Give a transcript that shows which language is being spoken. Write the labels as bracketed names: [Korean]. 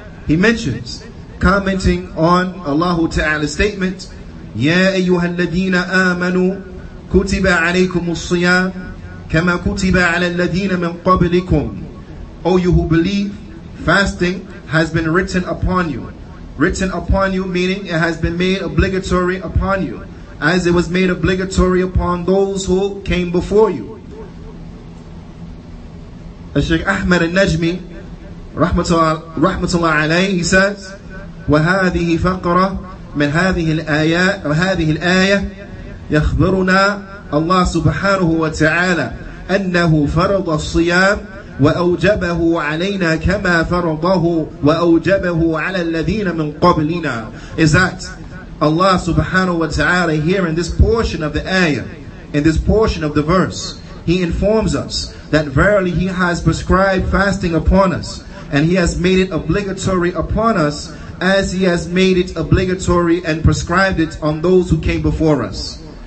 [English] He mentions, commenting on Allah Ta'ala's statement, [Arabic] يَا أَيُّهَا الَّذِينَ آمَنُوا كُتِبَ عَلَيْكُمُ الصِّيَامُ كَمَا كُتِبَ عَلَى الَّذِينَ مِنْ قَبْلِكُمْ. [English] O you who believe, fasting has been written upon you. Written upon you meaning it has been made obligatory upon you, as it was made obligatory upon those who came before you. [Arabic] Sheikh Ahmed al-Najmi رحمة الله عليه, [English] he says, [Arabic] وهذه فقرة من هذه الآية وهذه الآية يخبرنا الله سبحانه وتعالى أنه فرض الصيام وأوجبه علينا كما فرضه وأوجبه على الذين من قبلنا. [English] Is that Allah سبحانه وتعالى here in this portion of the ayah, in this portion of the verse, He informs us that verily He has prescribed fasting upon us, and He has made it obligatory upon us as He has made it obligatory and prescribed it on those who came before us.